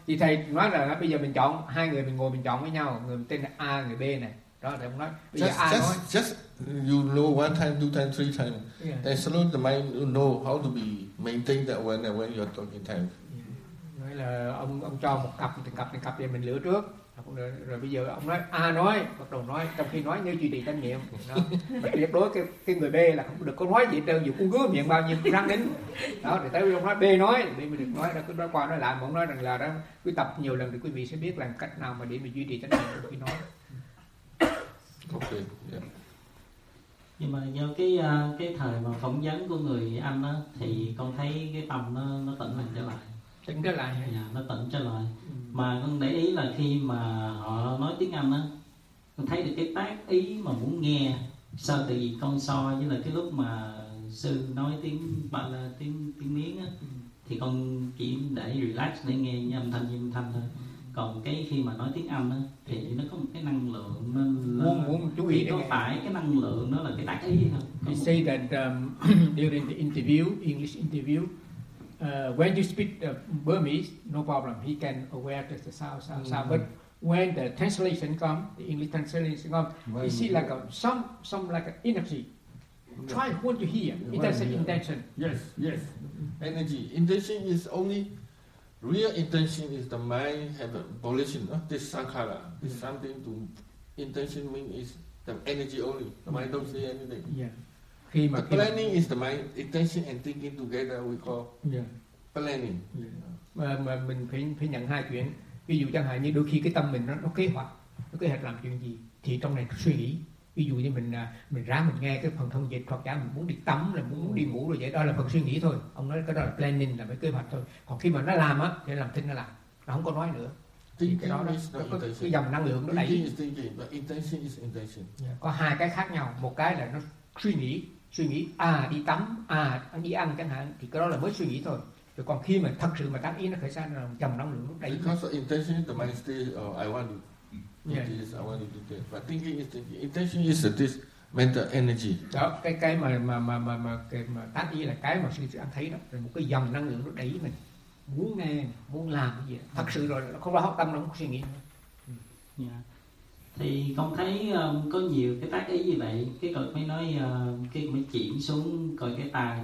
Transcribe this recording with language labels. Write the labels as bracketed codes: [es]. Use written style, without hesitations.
[vi] Thì thầy nói là bây giờ mình chọn hai người, mình ngồi mình chọn với nhau. Người tên là A, người B này. Đó là thầy không nói. Bây giờ A nói. [en] Just you know one time, two time, three time. Yeah. And slowly the mind you know how to be maintain that when you're talking time. Yeah. [vi] Nói là ông cho một cặp, thì cặp thì mình lựa trước. Rồi bây giờ ông nói A nói, bắt đầu nói, trong khi nói nhớ duy trì chánh niệm. Và tuyệt đối cái người B là không được có nói gì hết trơn, dù cũng gứa miệng bao nhiêu răng đến đó. Để tới ông nói B nói, B mới được nói, cứ nói qua nói lại. Mà ông nói rằng là đó, quý tập nhiều lần thì quý vị sẽ biết làm cách nào mà để mình duy trì chánh niệm trong khi nói. Ok, yeah. Nhưng mà do cái thời mà phỏng vấn của người anh á, thì con thấy cái tâm nó tỉnh lại trở lại. Tỉnh trở lại hả? Dạ, nó tỉnh trở lại. Mà con để ý là khi mà họ nói tiếng Anh á, con thấy được cái tác ý mà muốn nghe. Sao tại vì con so với là cái lúc mà sư nói tiếng ba la tiếng Miếng á, thì con chỉ để relax để nghe âm thanh như âm thanh thôi. Còn cái khi mà nói tiếng Anh á, thì nó có một cái năng lượng nó muốn muốn chú ý có nghe. Phải cái năng lượng nó là cái tác ý không? [en] You say that during the interview, English interview, when you speak Burmese, no problem. He can aware that the sound. But when the translation come, the English translation come, you see like a, some like an energy. Try what you hear. It has an intention. Yes. Energy. Intention is only real intention is the mind have a volition. This sankhara is something to intention mean is the energy only. The mind don't say anything. Yeah. The planning is the mind, intention and thinking together we call planning. [vi] Mà mình phải nhận hai chuyện. Ví dụ chẳng hạn như đôi khi cái tâm mình nó kế hoạch, nó kế hoạch làm chuyện gì thì trong này nó suy nghĩ. Ví dụ như mình ráng mình nghe cái phần thông dịch hoặc giả mình muốn đi tắm là muốn đi ngủ rồi vậy, đó là phần suy nghĩ thôi. Ông nói cái đó là planning, là phải kế hoạch thôi. Còn khi mà nó làm á thì làm thinh nó làm, nó không có nói nữa. Thì cái dòng năng lượng nó đẩy. [en] Intention is intention. [vi] Có hai cái khác nhau, một cái là nó suy nghĩ đi tắm, đi ăn chẳng hạn, thì cái đó là mới suy nghĩ thôi. Rồi còn khi mà thật sự mà tác ý nó khởi ra là dòng năng lượng nó đẩy. [en] Because of intention, the mind stay, I want to. Yes, I want to do that. But thinking is thinking. Intention is this mental energy. [vi] Đó, cái mà tác ý là cái mà sự anh thấy đó, là một cái dòng năng lượng nó đẩy mình muốn nghe, muốn làm cái gì. Thật sự rồi, nó không có học tâm, nó không có suy nghĩ. [en] Yeah. [vi] Thì con thấy có nhiều cái tác ý như vậy. Cái cậu mới nói, cái mới chuyển xuống coi cái tài.